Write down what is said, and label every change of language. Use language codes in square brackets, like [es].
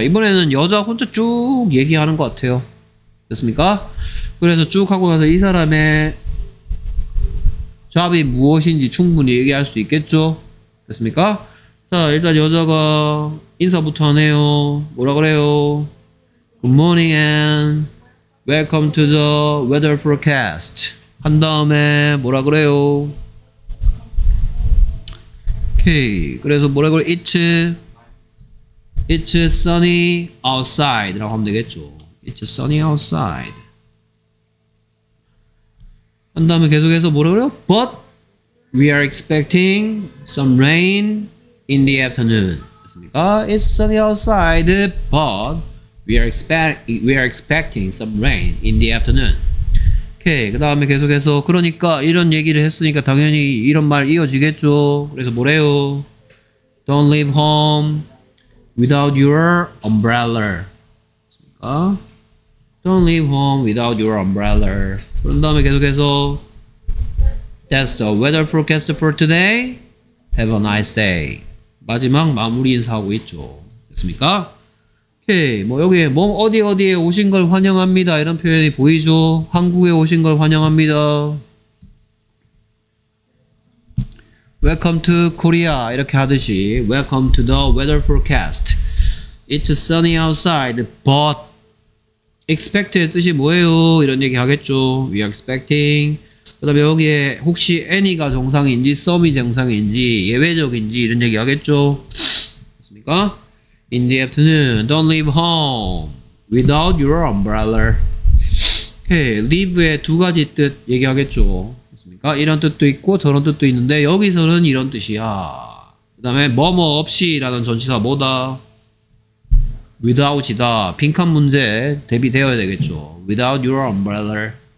[ko] 이번에는 여자 혼자 쭉 얘기하는 것 같아요. 됐습니까? 그래서 쭉 하고 나서 이 사람의 job이 무엇인지 충분히 얘기할 수 있겠죠? 됐습니까? 자 일단 여자가 인사부터 하네요. 뭐라 그래요? [en] Good morning and welcome to the weather forecast. [ko] 한 다음에 뭐라 그래요? [en] Okay. [ko] 그래서 뭐라 그래요? [en] It's sunny outside [ko] 라고 하면 되겠죠. [en] It's sunny outside. [ko] 한 다음에 계속해서 뭐라 그래요? [en] But we are expecting some rain in the afternoon. [ko] 됐습니까? [en] It's sunny outside, but We are expecting some rain in the afternoon. Okay. [ko] 그 다음에 계속해서 그러니까 이런 얘기를 했으니까 당연히 이런 말 이어지겠죠. 그래서 뭐래요? [en] Don't leave home without your umbrella. [ko] 그러니까 [en] Don't leave home without your umbrella. [ko] 그런 다음에 계속해서 [en] That's the weather forecast for today. Have a nice day. [ko] 마지막 마무리 인사하고 있죠. 됐습니까? 오케이. 뭐 여기에 뭐 어디에 오신 걸 환영합니다 이런 표현이 보이죠. 한국에 오신 걸 환영합니다. [en] Welcome to Korea [ko] 이렇게 하듯이 [en] Welcome to the weather forecast. It's sunny outside but expected [ko] 뜻이 뭐예요 이런 얘기 하겠죠. [en] We are expecting [ko] 그다음에 여기에 혹시 애니가 정상인지 썸이 정상인지 예외적인지 이런 얘기 하겠죠. 맞습니까? [en] In the afternoon, don't leave home without your umbrella. [ko] Okay, leave의 두 가지 뜻 얘기하겠죠. 맞습니까? 이런 뜻도 있고 저런 뜻도 있는데 여기서는 이런 뜻이야. 그다음에 뭐뭐 없이라는 전치사 뭐다? Without이다. 빈칸 문제 대비되어야 되겠죠. [en] Without your umbrella.